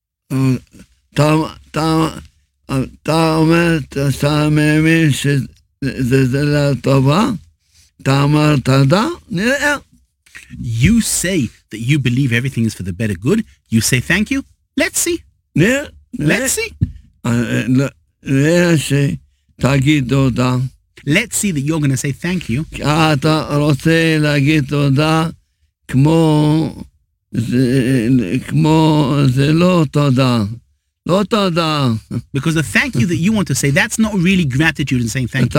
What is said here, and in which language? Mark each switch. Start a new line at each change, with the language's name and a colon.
English: You say that you believe everything is for the better good. You say thank you. Let's see. Let's see that you're going to say thank you.
Hebrew: אתה רוצה להגיד תודה כמו זה לא תודה. לא תודה.
English: Because the thank you that you want to say, that's not really gratitude in saying thank you.